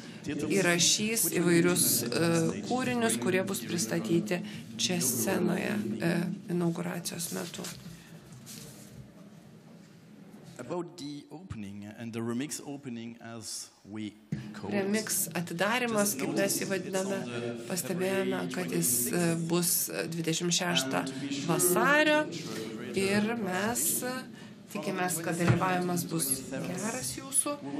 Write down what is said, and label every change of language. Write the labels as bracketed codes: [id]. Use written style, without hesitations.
[lt] įrašys įvairius kūrinius, kurie bus pristatyti čia scenoje inauguracijos metu. [en] About the opening and the remix opening as we call it. [lt] Remix atidarymas, kaip mes jį vadiname, pastebėjome, kad jis bus 26 vasario ir mes tikimės, kad dalyvavimas bus geras jūsų.